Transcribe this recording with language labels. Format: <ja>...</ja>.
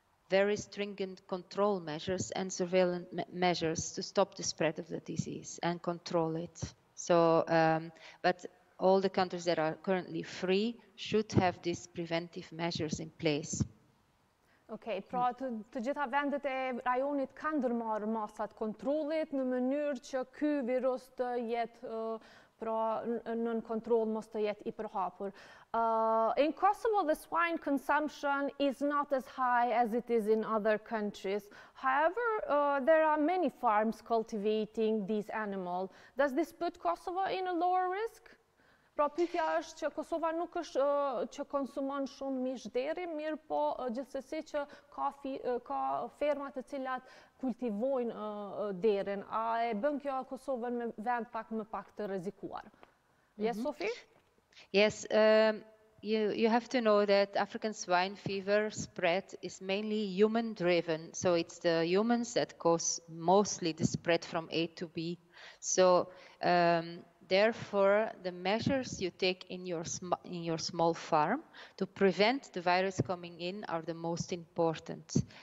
<en>very stringent control measures and surveillance measures to stop the spread of the disease and control it. So, but all the countries that are currently free should have these preventive measures in place.</en> <sq>Okay, pra të gjitha vendet e rajonit kanë ndërmarrë masat kontrollit në mënyrë që ky virus të jetë pra nën kontroll, mos të jetë I përhapur.</sq> <en>In Kosovo, the swine consumption is not as high as it is in other countries. However, there are many farms cultivating these animals. Does this put Kosovo in a lower risk?</en> <sq>Pra pyetja është që Kosova nuk është që konsumon shumë mish deri, mirë po gjithsesi që ka ferma të cilat kultivojnë derin. A e bën kjo Kosovën me vend pak më pak të rrezikuar?</sq> <en>Yes, Sofie? Yes, you have to know that African swine fever spread is mainly human driven. So it's the humans that cause mostly the spread from A to B. So therefore, the measures you take in your small farm to prevent the virus coming in are the most important.</en>